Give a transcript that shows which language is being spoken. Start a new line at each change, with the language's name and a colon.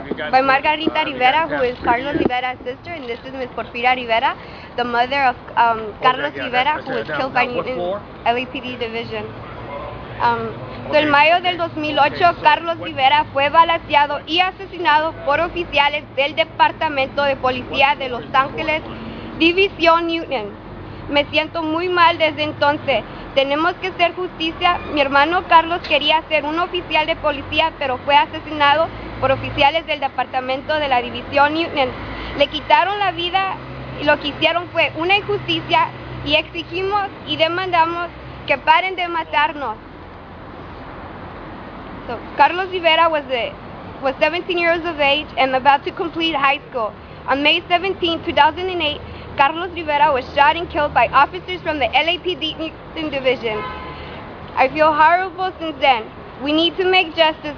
English: By Margarita Rivera, who is Carlos Rivera's sister, and this is Ms. Porfira Rivera, the mother of Carlos Rivera, who was killed by Newton LAPD Division.
Spanish: El mayo del 2008, Carlos Rivera fue balaceado y asesinado por oficiales del Departamento de Policía de Los Ángeles, División Newton. Me siento muy mal desde entonces. Tenemos que hacer justicia. Mi hermano Carlos quería ser un oficial de policía, pero fue asesinado por oficiales del departamento de la División Newton. Le quitaron la vida y lo que hicieron fue una injusticia y exigimos y demandamos que paren de matarnos.
English: So, Carlos Rivera was 17 years of age and about to complete high school. On May 17, 2008, Carlos Rivera was shot and killed by officers from the LAPD Newton Division. I feel horrible since then. We need to make justice.